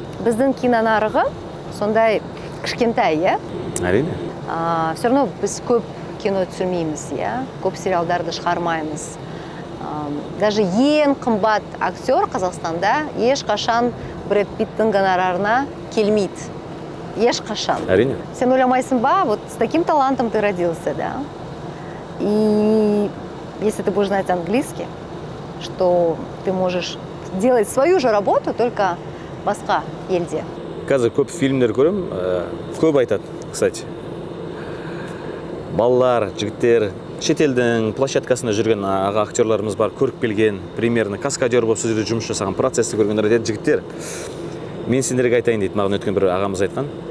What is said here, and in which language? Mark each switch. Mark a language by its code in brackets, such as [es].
[kk] Біздің кинонарығы сондай кішкентай, иә? Әрине. [ru] Все равно [kk] біз көп кино түсірмейміз, иә, көп сериалдарды шығармаймыз. Даже ең қымбат актер Қазақстанда ешқашан Брэд Питтің гонорарына келмейді. Ешқашан. Әрине. Сен ойламайсың ба, [ru] вот с таким талантом ты родился, да? И если ты будешь знать английский, что ты можешь делать свою же работу, только [kk] басқа елде. Қазір көп фильмдер көрем, көп айтады, кстати. Балалар, жігіттер, шетелдің площадкасында жүрген аға актерларымыз бар, көріп келген, примерно каскадер болып сөздерді жұмыс жасаған процесті көргендер айтады, жігіттер, мен сендерге айтайын дейді, маған өткен бір ағамыз айтқан.